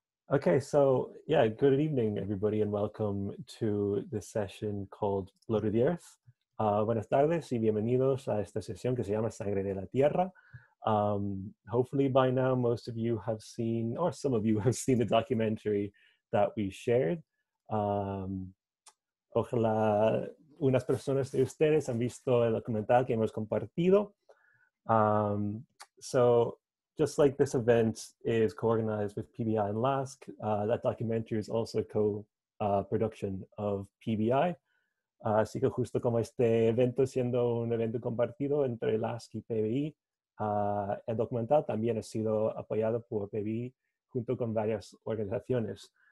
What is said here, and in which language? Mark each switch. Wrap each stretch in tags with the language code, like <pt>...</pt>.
<en>Okay, so yeah, good evening everybody and welcome to this session called Blood of the Earth.</en> <es>Buenas tardes y bienvenidos a esta sesión que se llama Sangre de la Tierra.</es> <en>Hopefully by now most of you have seen, or some of you have seen, the documentary that we shared.</en> <es>Ojalá unas personas de ustedes han visto el documental que hemos compartido.</es> <en>So just like this event is co-organized with PBI and LASK, that documentary is also a co-production of PBI.</en> <es>Así que justo como este evento siendo un evento compartido entre LASK y PBI, el documental también ha sido apoyado por PBI junto con varias organizaciones.</es>